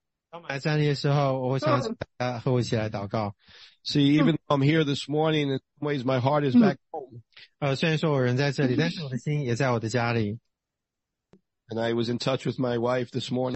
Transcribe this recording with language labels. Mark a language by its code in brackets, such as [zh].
[zh] 当我们还站立的时候，我想和我一起来祷告。 [en] See, even though I'm here this morning, in some ways my heart is back home. [zh] 虽然说我人在这里，但是我的心也在我的家里。 [en] And I was in touch with my wife this morning.